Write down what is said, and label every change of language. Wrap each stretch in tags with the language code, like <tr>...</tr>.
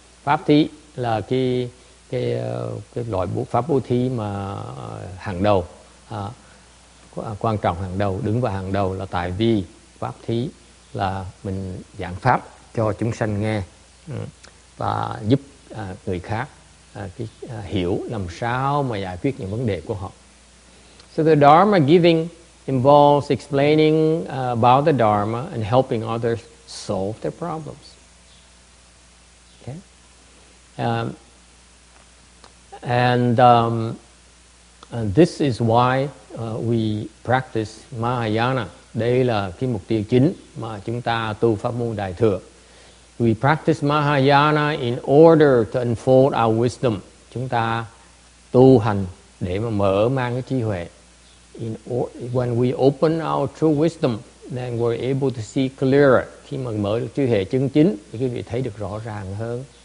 <vi>Pháp thí là cái loại pháp bố thí mà hàng đầu, quan trọng hàng đầu, đứng vào hàng đầu, là tại vì pháp thí là mình giảng pháp cho chúng sanh nghe và giúp người khác hiểu làm sao mà giải quyết những vấn đề của họ.</vi> <en>So the dharma giving involves explaining about the dharma and helping others solve their problems. Okay. And this is why we practice Mahayana.</en> <vi>Đây là cái mục tiêu chính mà chúng ta tu pháp môn Đại thừa.</vi> <en>We practice Mahayana in order to unfold our wisdom.</en> <vi>Chúng ta tu hành để mà mở mang cái trí huệ.</vi> <en>When we open our true wisdom, then we're able to see clearer.</en> <vi>Khi mà mở được trí huệ chân chính, thì quý vị thấy được rõ ràng hơn.</vi>